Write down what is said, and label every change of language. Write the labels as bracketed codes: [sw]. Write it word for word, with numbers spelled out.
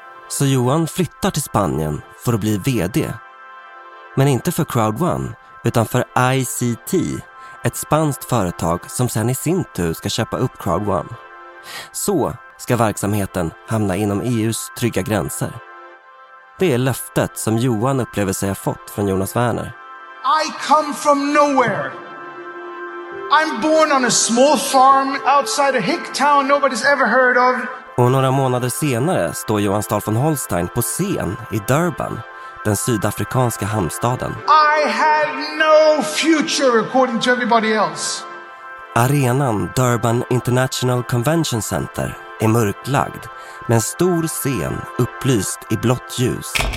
[sv] Så Johan flyttar till Spanien för att bli vd. Men inte för Crowd One, utan för I C T, ett spanskt företag som sen i sin tur ska köpa upp Crowd One. Så ska verksamheten hamna inom E U:s trygga gränser. Det är löftet som Johan upplever sig ha fått från Jonas Werner. [en] I come from nowhere. I'm born on a small farm outside a hick town nobody's ever heard of. [sv] Och några månader senare står Johan Stahl von Holstein på scen i Durban, den sydafrikanska hamnstaden. [en] I had no future according to everybody else. [sv] Arenan Durban International Convention Center är mörklagd med en stor scen upplyst i blått ljus.